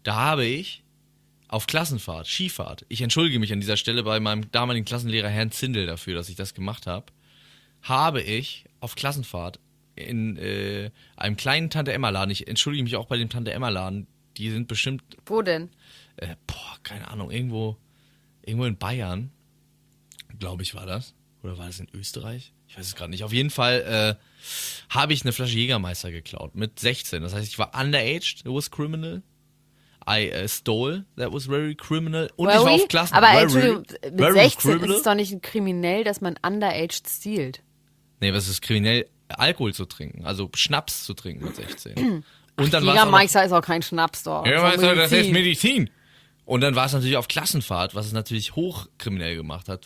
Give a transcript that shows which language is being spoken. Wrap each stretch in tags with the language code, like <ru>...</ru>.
<de>Da habe ich auf Klassenfahrt, Skifahrt, ich entschuldige mich an dieser Stelle bei meinem damaligen Klassenlehrer Herrn Zindel dafür, dass ich das gemacht habe, habe ich auf Klassenfahrt in einem kleinen Tante-Emma-Laden, ich entschuldige mich auch bei dem Tante-Emma-Laden, die sind bestimmt... Wo denn? Keine Ahnung, irgendwo in Bayern, glaube ich, war das. Oder war das in Österreich? Ich weiß es gerade nicht. Auf jeden Fall habe ich eine Flasche Jägermeister geklaut mit 16. Das heißt, ich war</de> <en>underaged, it was criminal. I stole, that was very criminal.</en> <de>Und</de> <en>very?</en> <de>Ich war auf Klassen. Aber</de> <en>very,</en> <de>Entschuldigung, mit 16 ist es doch nicht ein kriminell, dass man underaged stealt. Nee, was ist kriminell? Alkohol zu trinken, also Schnaps zu trinken mit 16. Und dann Jägermeister ist auch kein Schnaps dort. Jägermeister, das ist Medizin. Und dann war es natürlich auf Klassenfahrt, was es natürlich hochkriminell gemacht hat.</de>